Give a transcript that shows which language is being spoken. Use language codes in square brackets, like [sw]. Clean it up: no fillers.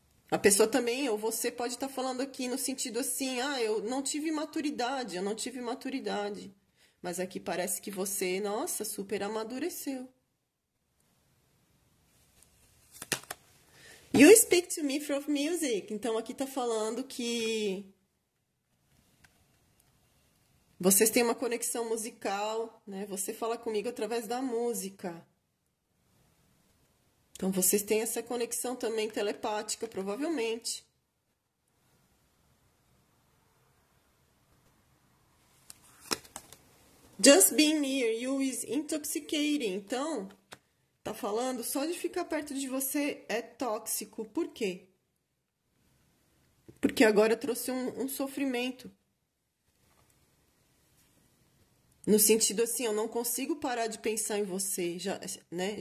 [pt] A pessoa também, ou você pode estar falando aqui no sentido assim, ah, eu não tive maturidade, eu não tive maturidade. Mas aqui parece que você, nossa, super amadureceu. [en] You speak to me from music. [pt] Então aqui está falando que. Vocês têm uma conexão musical, né? Você fala comigo através da música. Então vocês têm essa conexão também telepática, provavelmente. [en] Just being near you is intoxicating. [pt] Então, tá falando, só de ficar perto de você é tóxico. Por quê? Porque agora eu trouxe um sofrimento. No sentido assim, eu não consigo parar de pensar em você, já, né?